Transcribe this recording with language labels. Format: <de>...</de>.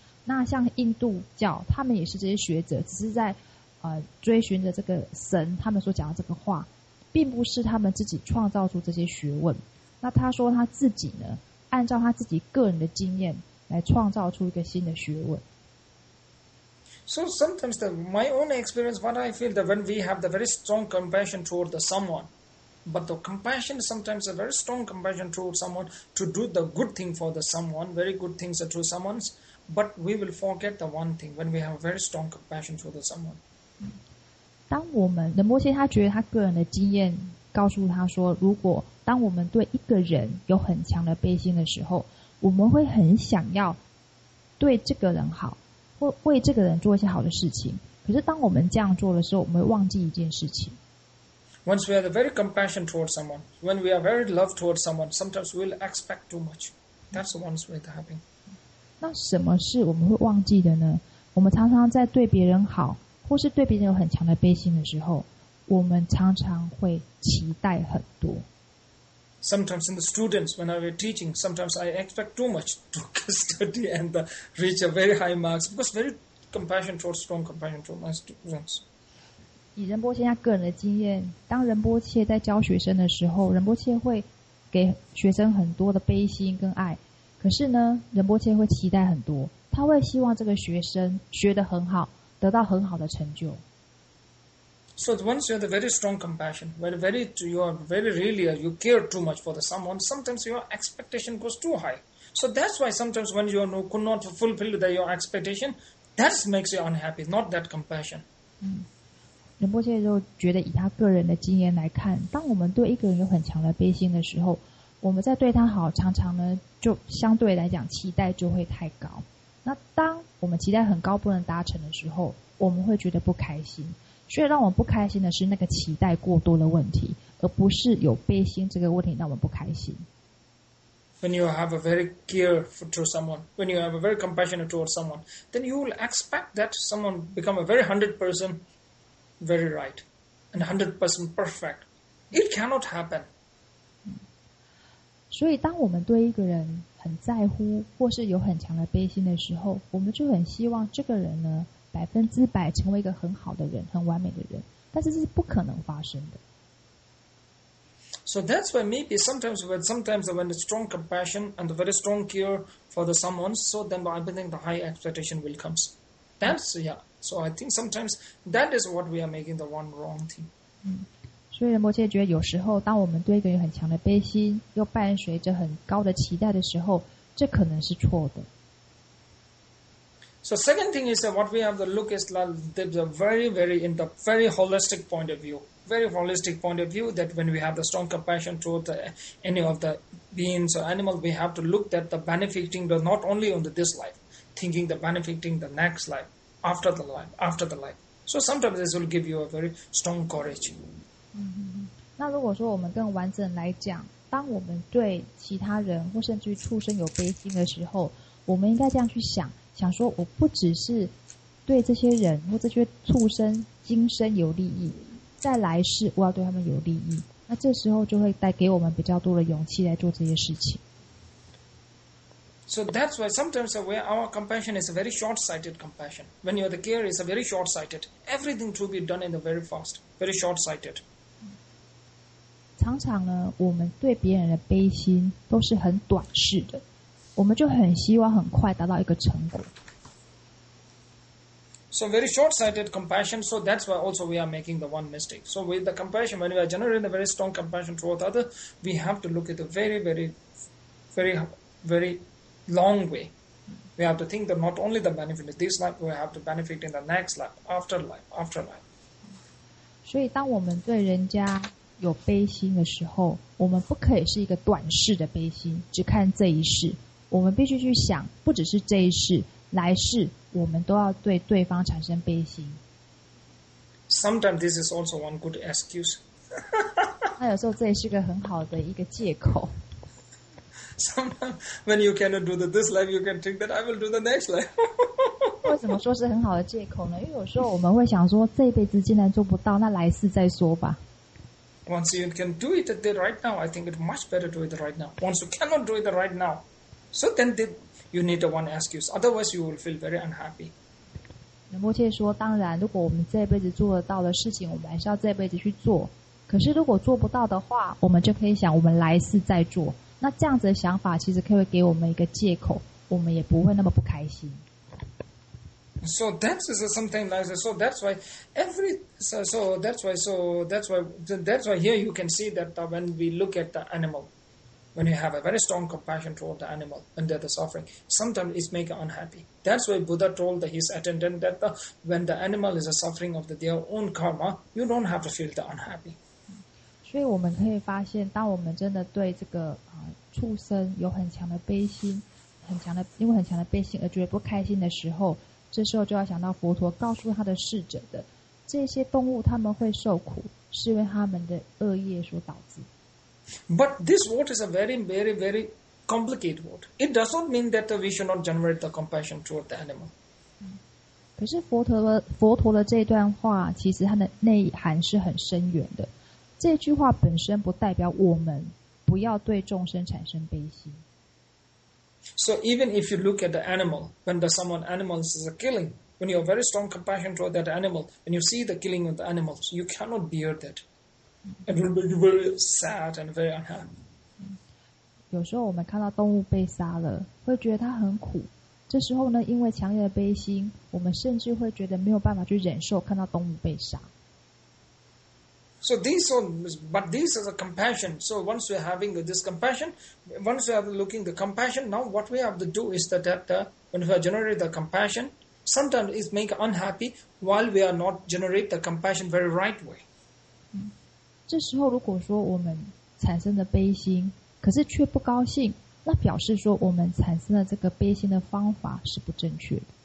<zh>那像印度教，他们也是这些学者，只是在追寻着这个神，他们所讲的这个话，并不是他们自己创造出这些学问。那他说他自己呢，按照他自己个人的经验来创造出一个新的学问。</zh> <en>So sometimes the, my own experience, what I feel that when we have the very strong compassion toward someone. But the compassion sometimes a very strong compassion toward someone to do the good thing for the someone, very good things to someone. But we will forget the one thing when we have very strong compassion for the someone.</en> <zh>当我们仁波切他觉得他个人的经验告诉他说，如果当我们对一个人有很强的悲心的时候，我们会很想要对这个人好，或为这个人做一些好的事情。可是当我们这样做的时候，我们会忘记一件事情。</zh> <en>Once we are very compassion towards someone, when we are very love towards someone, sometimes we'll expect too much. That's one way to happen.</en> <zh>那什么事我们会忘记的呢？我们常常在对别人好，或是对别人有很强的悲心的时候，我们常常会期待很多。</zh> <en>Sometimes in the students, when I were teaching, sometimes I expect too much to study and reach a very high marks because very compassion towards strong compassion towards my students.</en> <zh>以仁波切他个人的经验，当仁波切在教学生的时候，仁波切会给学生很多的悲心跟爱。可是呢，仁波切会期待很多，他会希望这个学生学得很好，得到很好的成就。</zh> <en>So once you have a very strong compassion, when very you are very really you care too much for the someone, sometimes your expectation goes too high. So that's why sometimes when you know could not fulfill that your expectation, that makes you unhappy, not that compassion. 嗯。</en> <zh>仁波切就觉得以他个人的经验来看，当我们对一个人有很强的悲心的时候，我们在对他好，常常呢就相对来讲期待就会太高。那当我们期待很高不能达成的时候，我们会觉得不开心。所以让我们不开心的是那个期待过多的问题，而不是有悲心这个问题让我们不开心。</zh> <en>when you have a very care to someone, when you have a very compassionate towards someone, then you will expect that someone become a very 100% very right and 100% perfect. It cannot happen.</en> <zh>所以当我们对一个人很在乎或是有很强的悲心的时候，我们就很希望这个人呢百分之百成为一个很好的人，很完美的人，但是这是不可能发生的。</zh> <en>So that's why maybe sometimes when the strong compassion and the very strong care for the someone, so then I think the high expectation will come. That's, yeah. So I think sometimes that is what we are making the one wrong thing.</en> <zh>所以仁波切觉得有时候当我们对一个人很强的悲心又伴随着很高的期待的时候，这可能是错的。</zh> <en>So second thing is that what we have to look is the very, very, in the very holistic point of view. Very holistic point of view that when we have the strong compassion toward any of the beings or animals, we have to look that the benefiting the not only on this life, thinking the benefiting the next life, after the life, after the life. So sometimes this will give you a very strong courage.</en> <zh>那如果说我们更完整来讲，当我们对其他人或甚至于畜生有悲心的时候，我们应该这样去想，想说我不只是对这些人或这些畜生今生有利益，在来世我要对他们有利益，那这时候就会带给我们比较多的勇气来做这些事情。</zh> <en>So that's why sometimes our compassion is a very short-sighted compassion. When you're the care is a very short-sighted. Everything to be done in the very fast, very short-sighted.</en> <zh>常常呢，我们对别人的悲心都是很短视的，我们就很希望很快达到一个成果。</zh> <en>So very short-sighted compassion. So that's why also we are making the one mistake. So with the compassion, when we are generating a very strong compassion towards others, we have to look at the very, very, very, very long way. We have to think that not only the benefit of this life, we have to benefit in the next life, after life, after life.</en> <zh>所以当我们对人家有悲心的时候，我们不可以是一个短视的悲心，只看这一世。我们必须去想，不只是这一世，来世我们都要对对方产生悲心。</zh> <en>Sometimes this is also one good excuse.</en> <zh>那有时候这也是个很好的一个借口。</zh> <en>Sometimes when you cannot do this life, you can think that I will do the next life.</en> <zh>为什么说是很好的借口呢？因为有时候我们会想说，这一辈子既然做不到，那来世再说吧。</zh> <en>Once you can do it right now, I think it's much better to do it right now. Once you cannot do it right now, so then you need one excuse. Otherwise, you will feel very unhappy.</en> <zh>仁波切说，当然，如果我们这辈子做得到的事情，我们还是要这辈子去做。可是如果做不到的话，我们就可以想我们来世再做。那这样子的想法其实可以给我们一个借口，我们也不会那么不开心。</zh> <en>So that is something like that. So that's why every so that's why here you can see that when we look at the animal, when you have a very strong compassion toward the animal under the suffering, sometimes it makes unhappy. That's why Buddha told his attendant that when the animal is suffering of their own karma, you don't have to feel the unhappy.</en> <zh>所以我们可以发现，当我们真的对这个畜生有很强的悲心，因为很强的悲心而觉得不开心的时候，这时候就要想到佛陀告诉他的侍者的，这些动物他们会受苦，是因为他们的恶业所导致。</zh> <en>But this word is a very, very, very complicated word. It does not mean that we should not generate the compassion toward the animal.</en> <zh>可是佛陀的这段话，其实它的内涵是很深远的。这句话本身不代表我们不要对众生产生悲心。</zh> <en>So even if you look at the animal, when someone is a killing, when you have very strong compassion toward that animal, and you see the killing of the animals, you cannot bear that. It will be very sad and very unhappy.</en> <zh>有时候我们看到动物被杀了，会觉得它很苦。这时候呢，因为强烈的悲心，我们甚至会觉得没有办法去忍受看到动物被杀。</zh> <en>So these are, but these are the compassion. So once we're having this compassion, once we are looking the compassion, now what we have to do is that when we generate the compassion, sometimes it makes unhappy while we are not generate the compassion very right way.</en> <zh>这时候如果说我们产生了悲心，可是却不高兴，那表示说我们产生了这个悲心的方法是不正确的。</zh>